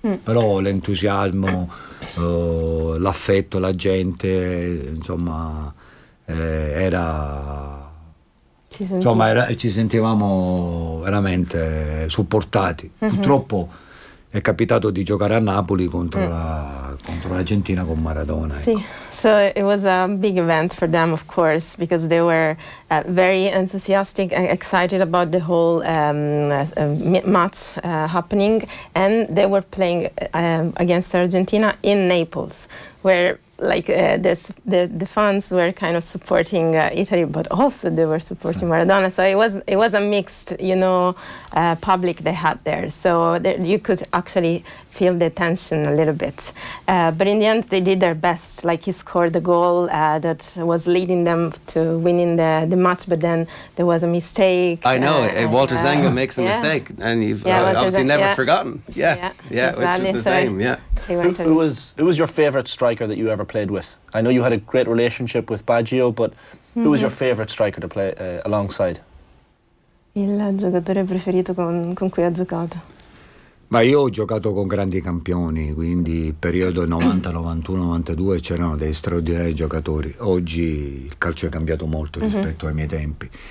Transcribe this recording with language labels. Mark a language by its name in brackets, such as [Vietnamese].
[Italian] Però l'entusiasmo, l'affetto, la gente, insomma, era... Insomma, ci sentivamo veramente supportati. Purtroppo è capitato di giocare a Napoli contro l'Argentina con Maradona. Sì. [English] So it was a big event for them, of course, because they were very enthusiastic and excited about the whole match happening, and they were playing against Argentina in Naples, where like the fans were kind of supporting Italy, but also they were supporting Maradona. So it was a mixed, you know, public they had there. So you could actually feel the tension a little bit. But in the end, they did their best. Like, he scored the goal that was leading them to winning the match, but then there was a mistake. I know, Walter Zenga makes a mistake, and you've obviously never forgotten. Who was your favourite striker that you ever played with? I know you had a great relationship with Baggio, but mm-hmm. who was your favourite striker to play alongside? [Italian] Il giocatore preferito con cui ha giocato. Ma io ho giocato con grandi campioni, quindi periodo 90, 91, 92 c'erano dei straordinari giocatori. Oggi il calcio è cambiato molto rispetto mm-hmm. ai miei tempi.